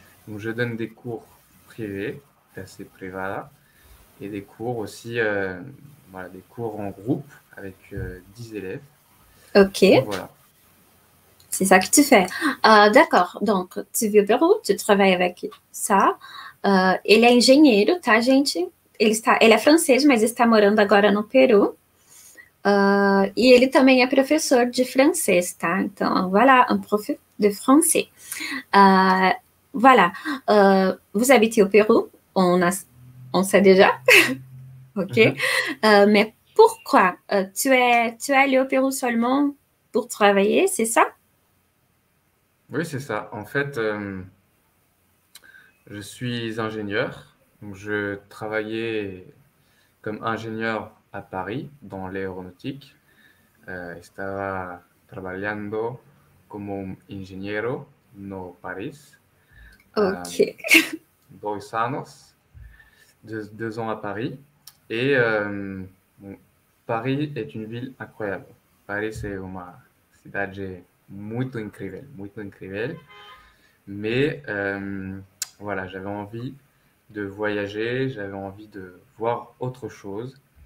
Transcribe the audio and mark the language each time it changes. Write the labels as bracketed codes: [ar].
[fr] Donc, je donne des cours privés, assez privés, et des cours aussi, voilà, des cours en groupe avec 10 élèves. Ok. Donc, voilà. C'est ça que tu fais. D'accord, donc, tu vis au Pérou, tu travailles avec ça. [pt] Ele é engenheiro, tá, gente? Ele é francês, mas está morando agora no Peru. E ele também é professor de francês, tá? [fr] Então, voilà, un prof de français. Voilà. Vous habitez au Pérou? On sait déjà. Ok? Mais pourquoi? Tu es allé au Pérou seulement pour travailler, c'est ça? Oui, c'est ça. En fait... Je suis ingénieur, donc je travaillais comme ingénieur à Paris dans l'aéronautique. [es] Estaba trabajando como ingeniero no Paris. Ok. Dos años, [fr] deux ans à Paris. Et Paris est une ville incroyable. [es] Paris es una ciudad muy increíble, [fr] mais voilà, j'avais envie de voyager, j'avais envie de voir autre chose.